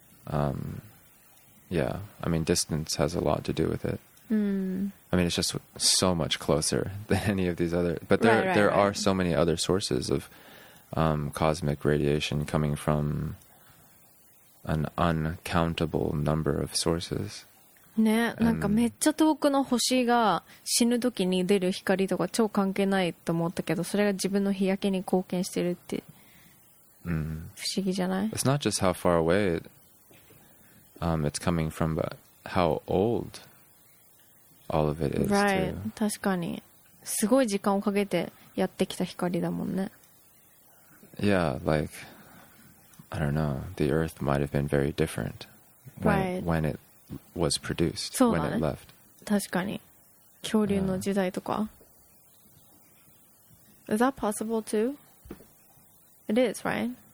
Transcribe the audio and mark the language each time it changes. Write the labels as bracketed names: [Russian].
[English] I mean, distance has a lot to do with it. I mean, it's just so much closer than any of these other, but there are so many other sources of cosmic radiation coming from an uncountable number of sources. [Japanese] ね、なんかめっちゃ遠くの星が死ぬ時に出る光とか超関係ないと思ったけど、それが自分の日焼けに貢献してるって不思議じゃない？ [English] It's not just how far away it's coming from, but how old all of it is. Right, too. [Japanese] 確かにすごい時間をかけてやってきた光だもんね。 [English] Yeah, like I don't know, the Earth might have been very different when itwas produced、 [Japanese] ね、 [English] when it left. [Japanese] 確かに恐竜の時代とか、 [English] Is that possible too? It is, right?